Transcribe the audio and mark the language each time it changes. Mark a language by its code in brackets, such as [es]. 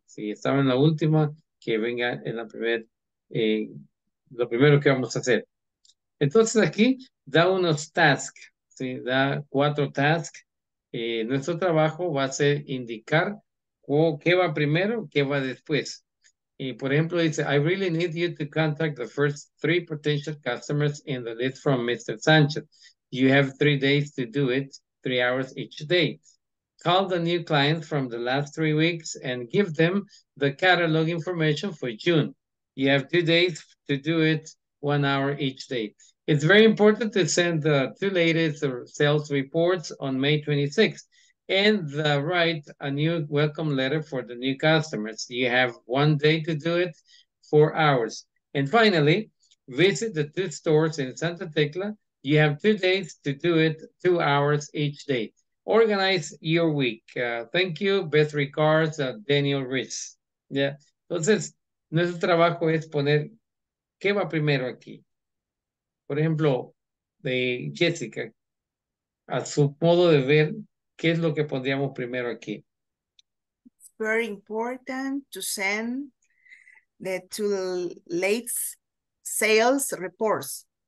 [es] Si estaba en la última, que venga en la primera, lo primero que vamos a hacer. Entonces aquí da unos tasks, ¿sí? Da cuatro tasks. Nuestro trabajo va a ser indicar qué va primero, qué va después. Por ejemplo, dice, [en] I really need you to contact the first three potential customers in the list from Mr. Sanchez. You have 3 days to do it, 3 hours each day. Call the new clients from the last 3 weeks and give them the catalog information for June. You have 2 days to do it, 1 hour each day. It's very important to send the two latest sales reports on May 26th and write a new welcome letter for the new customers. You have 1 day to do it, 4 hours. And finally, visit the two stores in Santa Tecla. You have 2 days to do it, 2 hours each day. Organize your week. Thank you. Best regards, Daniel Ritz. Yeah. [es] Entonces, nuestro trabajo es poner qué va primero aquí. Por ejemplo, de Jessica, a su modo de ver, ¿qué es lo que pondríamos primero aquí? [en] It's very important to send the two late sales reports.